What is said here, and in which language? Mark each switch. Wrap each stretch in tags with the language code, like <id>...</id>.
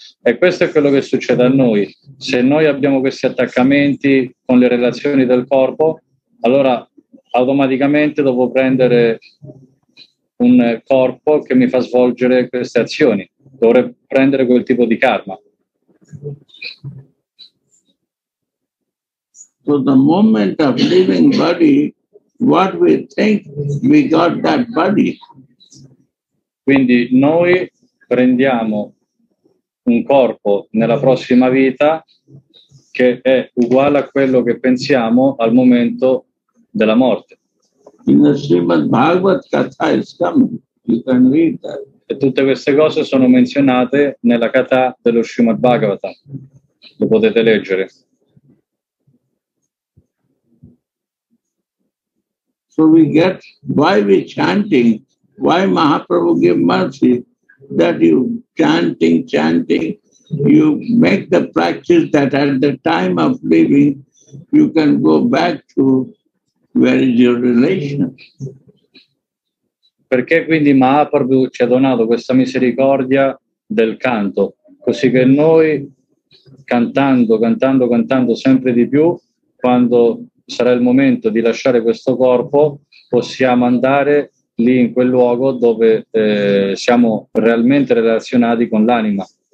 <it>E questo è quello che succede a noi, se noi abbiamo questi attaccamenti con le relazioni del corpo, allora automaticamente devo prendere un corpo che mi fa svolgere queste azioni, dovrei prendere quel tipo di karma.</it> <en>So the moment of living body, what we think, we got that body.</en> <it>Quindi noi prendiamo un corpo nella prossima vita che è uguale a quello che pensiamo al momento della morte.</it> <en>In the Srimad Bhagavat Katha is coming. You can read that.</en> <it>E tutte queste cose sono menzionate nella Katha dello Srimad Bhagavata. Lo potete leggere.</it> <en>So we get why we chanting, why Mahaprabhu give mercy that you chanting, you make the practice that at the time of living you can go back to. Where is your relation?</en> <it>Perché quindi Mahaprabhu ci ha donato questa misericordia del canto, così che noi cantando sempre di più, quando sarà il momento di lasciare questo corpo, possiamo andare lì in quel luogo dove siamo realmente relazionati con l'anima.</it>